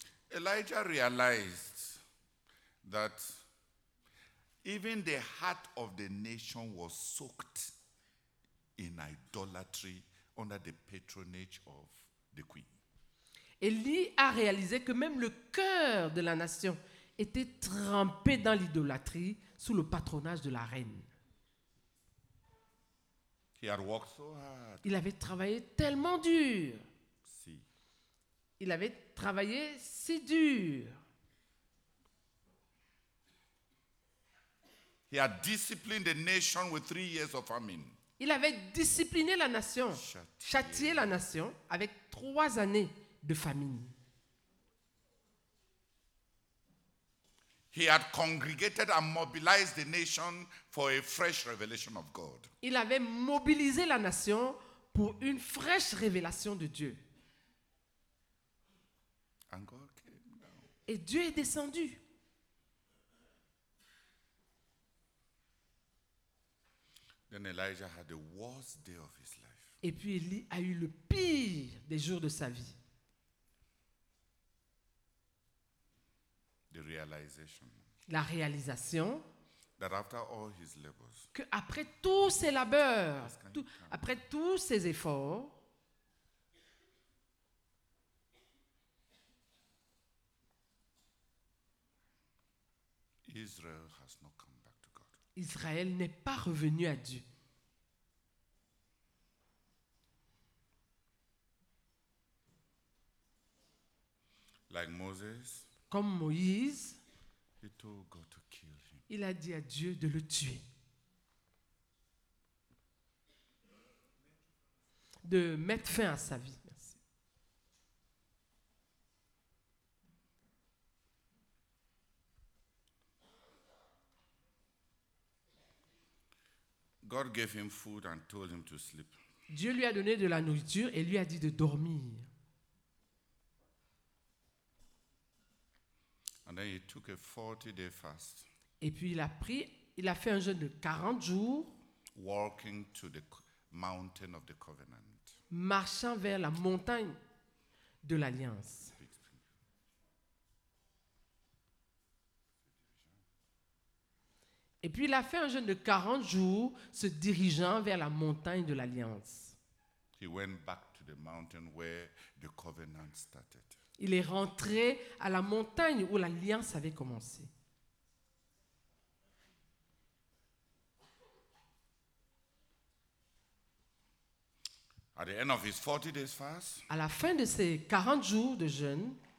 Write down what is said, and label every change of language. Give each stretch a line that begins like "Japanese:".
English: Elijah realized that even the heart of the nation was soaked in idolatry under the patronage of the queen.
French: Élie a réalisé que même le cœur de la nation était trempé dans l'idolâtrie sous le patronage de la reine.
English: He had worked so hard.
French: Il avait travaillé tellement dur. Si. Il avait travaillé si dur.
English: He had disciplined the nation with 3 years of famine.
French: Il avait discipliné la nation, châtié la nation avec 3 années. De famine.
English: He had congregated and mobilized the nation for a fresh revelation of God.
French: Il avait mobilisé la nation pour une fraîche révélation de Dieu.
English: And God came down.
French: Et Dieu est descendu.
English: Then Elijah had the worst day of his life.
French: Et puis Élie a eu le pire des jours de sa vie.
English: The realization.
French: La réalisation.
English: That after all his labors,
French: que après tous ses labeurs, après tous ses efforts,
English: Israel has not come back to God.
French: Israël n'est pas revenu à Dieu.
English: Like Moses,
French: comme Moïse,
English: he told God to kill him.
French: Il a dit à Dieu de le tuer. De mettre fin à sa vie. Merci.
English: God gave him food and told him to sleep.
French: Dieu lui a donné de la nourriture et lui a dit de dormir.
English: And then he took a 40-day fast.
French: Et puis il a fait un jeûne de 40 jours.
English: Walking to the mountain of the covenant.
French: Marchant vers la montagne de l'Alliance. Et puis il a fait un jeûne de 40 jours, se dirigeant vers la montagne de l'Alliance.
English: He went back to the mountain where the covenant started.
French: Il est rentré à la montagne où l'Alliance avait commencé.
English: At the end of his 40 days fast,
French: à la fin de ses 40 jours de jeûne,